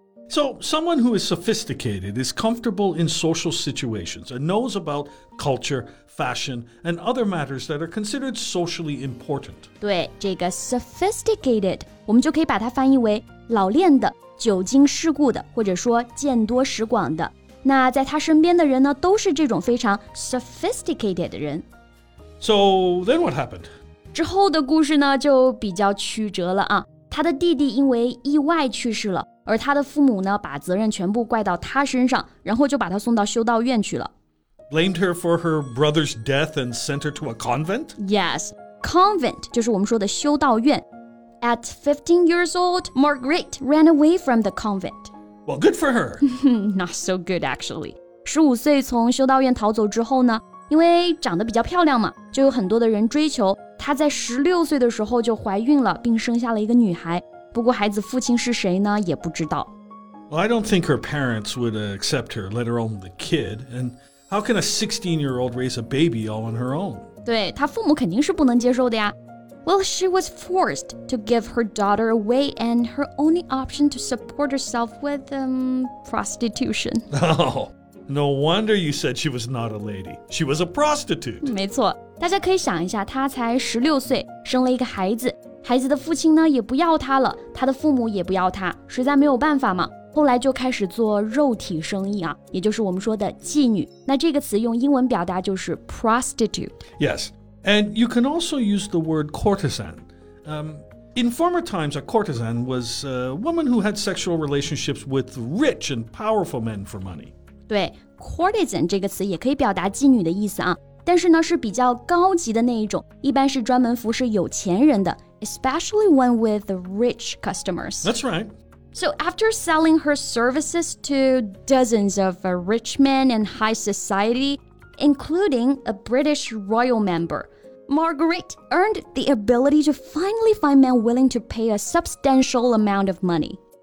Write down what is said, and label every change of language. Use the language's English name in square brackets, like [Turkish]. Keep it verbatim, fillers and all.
[English] So, someone who is sophisticated is comfortable in social situations and knows about culture, fashion, and other matters that are considered socially important. [Chinese] 对，这个 sophisticated, 我们就可以把它翻译为老练的、久经世故的，或者说见多识广的。那在他身边的人呢，都是这种非常 sophisticated 的人。 [English] So, then what happened? [Chinese] 之后的故事呢，就比较曲折了啊。他的弟弟因为意外去世了。而他的父母呢，把责任全部怪到他身上，然后就把他送到修道院去了。 [English] Blamed her for her brother's death and sent her to a convent? [Chinese] Yes, convent 就是我们说的修道院。 [English] At fifteen years old, Margaret ran away from the convent. Well, good for her. Not so good, actually. [Chinese] 十五岁从修道院逃走之后呢，因为长得比较漂亮嘛，就有很多的人追求。她在十六岁的时候就怀孕了，并生下了一个女孩。不过孩子父亲是谁呢？也不知道。 [English] Well, I don't think her parents would accept her, let her own the kid. And how can a sixteen-year-old raise a baby all on her own? [Chinese] 对，她父母肯定是不能接受的呀。 [English] Well, she was forced to give her daughter away, and her only option to support herself with um, prostitution. Oh, no wonder you said she was not a lady. She was a prostitute. [Chinese] 没错，大家可以想一下，她才十六岁，生了一个孩子。孩子的父亲呢也不要他了，他的父母也不要他，实在没有办法嘛。后来就开始做肉体生意啊，也就是我们说的妓女。那这个词用英文表达就是 prostitute. [English] Yes, and you can also use the word courtesan. Um, in former times, a courtesan was a woman who had sexual relationships with rich and powerful men for money. [Chinese] 对 courtesan 这个词也可以表达妓女的意思啊，但是呢是比较高级的那一种，一般是专门服侍有钱人的。 [English] Especially one with the rich customers. That's right. So after selling her services to dozens of uh, rich men and high society, including a British royal member, Margaret earned the ability to finally find men willing to pay a substantial amount of money.